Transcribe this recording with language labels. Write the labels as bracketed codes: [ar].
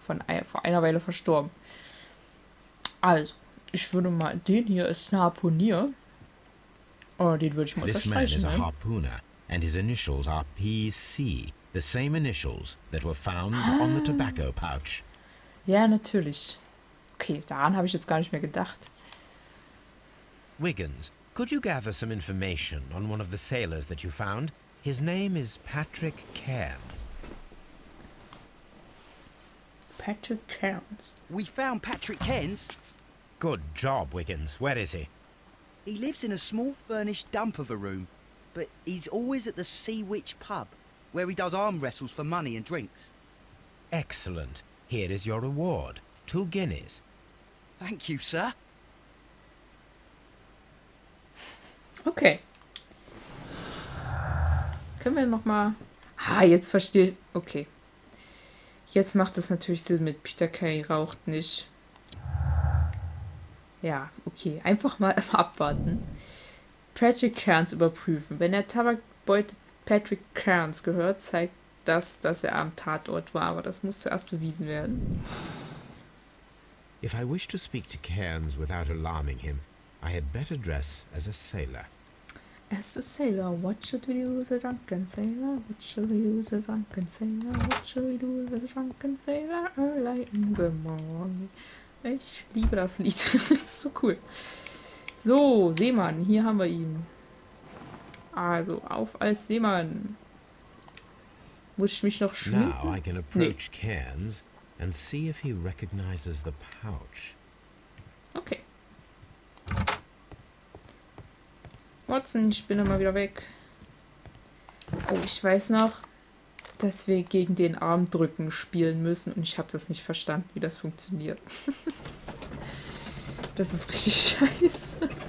[de] Vor einer Weile verstorben. Also, ich würde mal, den hier ist ein Harpunier. Oh, den würde ich mal unterstreichen. [en] And his initials are PC, the same initials that were found on the tobacco pouch. [de] Ja, natürlich. Okay, daran habe ich jetzt gar nicht mehr gedacht. [en] Wiggins, could you gather some information on one of the sailors that you found? His name is Patrick Cairns. Patrick Cairns. We found Patrick Cairns. Good job, Wiggins. Where is he? He lives in a small furnished dump of a room. But he's always at the Sea Witch pub, where he does arm wrestles for money and drinks. Excellent. Here is your reward. 2 guineas. Thank you, sir. Okay. [de] Können wir nochmal... Ah, jetzt verstehe... Okay. Jetzt macht das natürlich Sinn mit Peter Kay raucht nicht. Ja, okay. Einfach mal abwarten. Patrick Cairns überprüfen. Wenn der Tabakbeutel Patrick Cairns gehört, zeigt das, dass er am Tatort war. Aber das muss zuerst bewiesen werden. [en] If I wish to speak to Cairns without alarming him, I had better dress as a sailor. As a sailor, what should we do with a drunken sailor? What should we do with a drunken sailor? What should we do with a drunken sailor? Early in the morning. [de] Ich liebe das Lied. Ist so cool. So, Seemann, hier haben wir ihn. Also, auf als Seemann. Muss ich mich noch schminken? [en] Now I can approach Cairns and see if he recognizes the pouch. Okay. [de] Watson, ich bin immer wieder weg. Oh, ich weiß noch, dass wir gegen den Arm drücken spielen müssen und ich habe das nicht verstanden, wie das funktioniert. Das ist richtig scheiße.